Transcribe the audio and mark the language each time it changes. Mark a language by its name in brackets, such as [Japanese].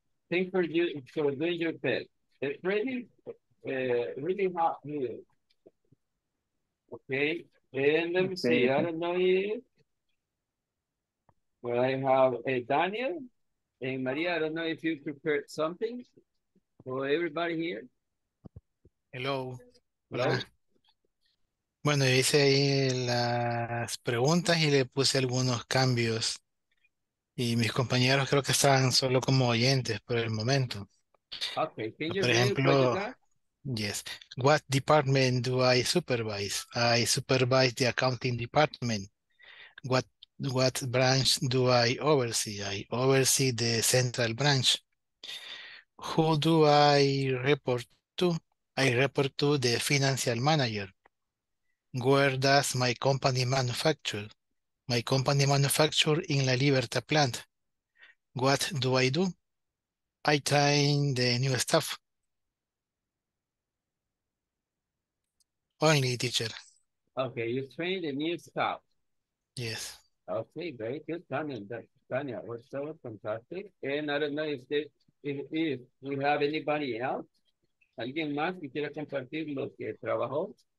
[English] Thank for you for doing your best. It really, really helped me. Okay, and let me see. I don't know you. Well, I have a Daniel. Hey, Maria, I don't know if you prepared something for everybody here. Hello. Hello. [Spanish] Bueno, hice ahí las preguntas y le puse algunos cambios. Y mis compañeros creo que están solo como oyentes por el momento. [English] Okay, can you [Spanish] Por [English] read it for [Spanish] ejemplo, [English] you guys? yes. What department do I supervise? I supervise the accounting department. What branch do I oversee? I oversee the central branch. Who do I report to? I report to the financial manager. Where does my company manufacture? My company manufacture in La Libertad plant. What do I do? I train the new staff. Only teacher. Okay, you train the new staff. Yes. Okay, very good, Tanya, we're so fantastic. And I don't know if we have anybody else. [Spanish] ¿Alguien más que quiera compartir lo que trabajó?